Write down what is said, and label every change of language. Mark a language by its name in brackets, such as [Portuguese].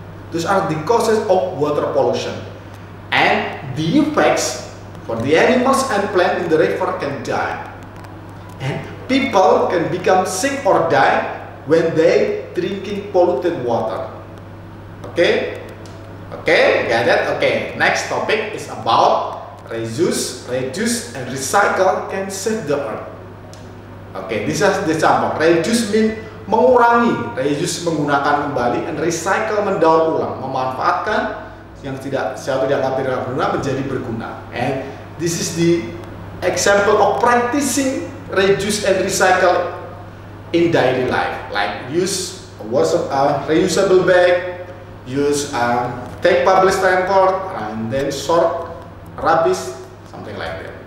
[English] Those are the causes of water pollution, and the effects for the animals and plants in the river can die, and people can become sick or die when they drinking polluted water. Okay? Okay, got it? Okay, next topic is about reduce, and recycle can save the earth. Okay, this is the example. Reduce mean [Indonesian] mengurangi. Reuse menggunakan kembali, [English] and recycle [Indonesian] mendaur ulang, memanfaatkan yang tidak sesuatu yang tidak berguna menjadi berguna. [English] And this is the example of practicing reduce and recycle in daily life, like use a reusable bag, use take public transport, and then sort rubbish, something like that.